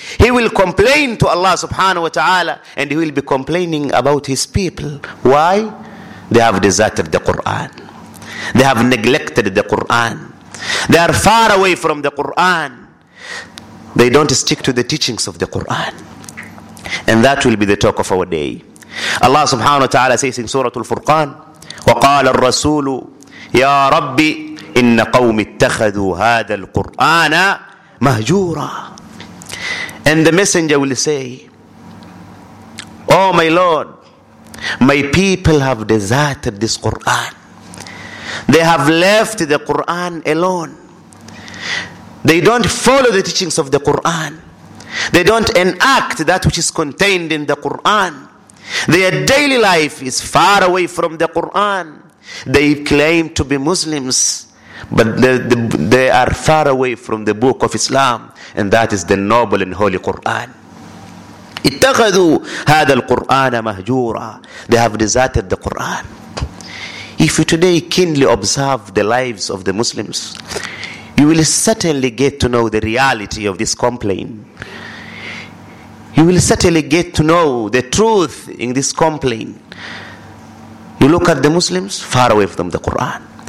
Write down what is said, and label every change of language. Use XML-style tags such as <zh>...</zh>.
<en>He will complain to Allah subhanahu wa ta'ala and he will be complaining about his people. Why? They have deserted the Quran. They have neglected the Quran. They are far away from the Quran. They don't stick to the teachings of the Quran. And that will be the talk of our day. Allah subhanahu wa ta'ala says in Surah Al-Furqan,</en> <ar>وَقَالَ الرَّسُولُ يَا رَبِّ إِنَّ قَوْمِ اتَّخَذُوا هَذَا الْقُرْآنَ مَهْجُورًا.</ar> <en>And the messenger will say, Oh my Lord, my people have deserted this Quran. They have left the Quran alone. They don't follow the teachings of the Quran. They don't enact that which is contained in the Quran. Their daily life is far away from the Quran. They claim to be Muslims, but they are far away from the book of Islam, and that is the noble and holy Quran.</en> <ar>اتخذوا هذا القرآن مهجورا.</ar> <en>They have deserted the Quran. If you today keenly observe the lives of the Muslims, you will certainly get to know the reality of this complaint. You will certainly get to know the truth in this complaint. You look at the Muslims, far away from the Quran.</en>